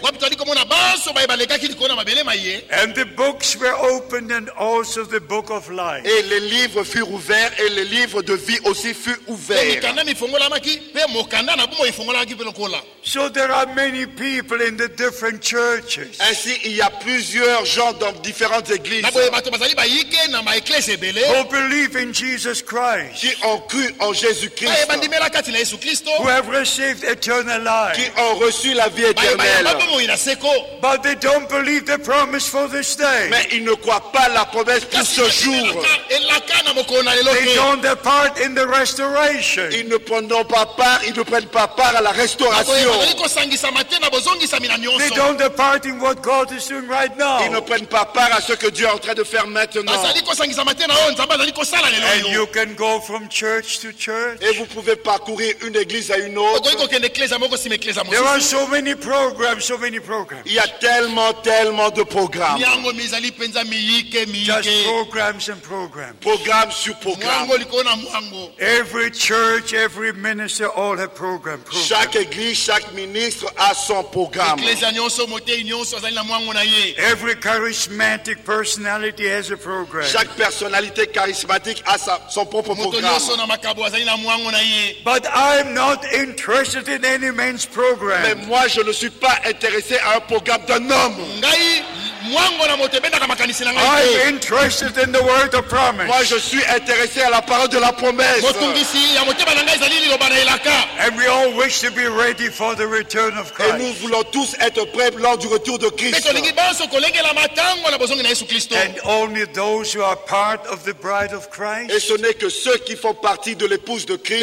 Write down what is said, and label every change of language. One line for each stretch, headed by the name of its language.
English: And the books were opened and also the book of life.
French: Et les livres furent ouverts et les livres de vie aussi furent ouverts.
English: So there are many people in the different churches.
French: Ainsi, il y a plusieurs gens dans différentes églises
English: who believe in Jesus Christ,
French: qui ont cru en Jésus-Christ,
English: who have received eternal life,
French: qui ont reçu la vie éternelle.
English: But they don't believe the promise for this day.
French: Mais ils ne croient pas la promesse pour ce jour.
English: They don't have part in the restoration.
French: Ils ne prennent pas part, ils ne prennent pas part à la restauration.
English: They don't have part in what God is doing right now.
French: Ils ne prennent pas part à ce que Dieu est en train de faire maintenant.
English: And you can go from church to church.
French: Et vous pouvez parcourir une église à une autre.
English: There are so many programs, so many programs.
French: Il y a tellement, tellement de programmes.
English: Just programs and programs.
French: Programmes sur programmes.
English: Every church, every minister, all have programs. Program.
French: Chaque église, chaque ministre a son programme.
English: Every charismatic personality has a program.
French: Chaque personnalité charismatique a son propre programme.
English: But I'm not interested in any man's program.
French: Mais moi, je ne suis pas intéressé à un programme d'un homme.
English: I'm interested in the word of promise.
French: Moi, je suis intéressé à la parole de la promesse.
English: And we all wish to be ready for the return of Christ.
French: Et nous voulons tous être prêts lors du retour de Christ.
English: And only those who are part of the bride of Christ.
French: Et ce n'est que ceux qui font partie de l'épouse de Christ.